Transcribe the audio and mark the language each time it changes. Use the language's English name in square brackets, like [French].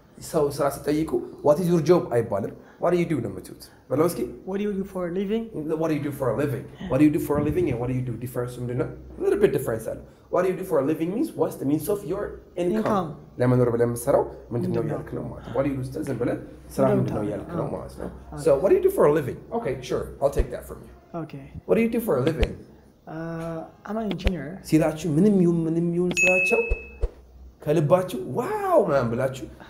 [English] So, [Amharic] ስራ ስጠይቁ, [English] what is your job? [Amharic] አይባልም. [English] What do you do, Namatut? Veloski? What do you do for a living? What do you do for a living and what do you do differs from the... A little bit different. What do you do for a living means? What's the means of your income? [Amharic] ለመኖር ብለን የምትሰራው ምንድን ነው እያልክ ነው ማለት ነው። [English] What do you do for a living? [Amharic] ስራ ምንድን ነው እያልክ ነው ማለት ነው። [English] So, what do you do for a living? Okay, sure. I'll take that from you. Okay. What do you do for a living? I'm an engineer. [Amharic] ሲላችሁ ምንም ይሁን ስራቸው ከልባችሁ ዋው ማን ብላችሁ